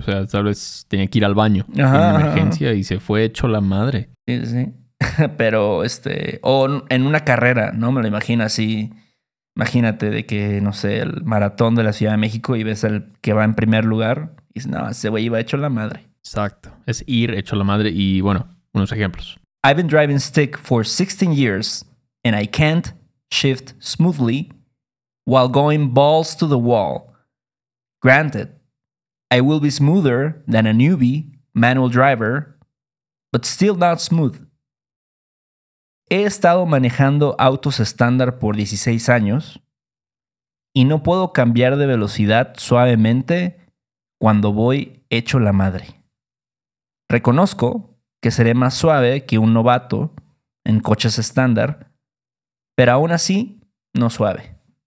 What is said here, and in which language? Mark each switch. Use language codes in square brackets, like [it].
[es] O sea, tal vez tenía que ir al baño en emergencia y se fue hecho la madre. Sí, sí. Pero, o en una carrera, ¿no? Me lo imagino así. Imagínate de que, no sé, el maratón de la Ciudad de México y ves al que va en primer lugar. Y dices, no, ese güey iba hecho la madre. Exacto. Es ir hecho la madre. Y, bueno, unos ejemplos. [en] I've been driving stick for 16 years and I can't shift smoothly while going balls to the wall. Granted, I will be smoother than a newbie manual driver, but still not smooth. [es] He estado manejando autos estándar por 16 años y no puedo cambiar de velocidad suavemente cuando voy hecho la madre. Reconozco que seré más suave que un novato en coches estándar, pero aún así, no suave.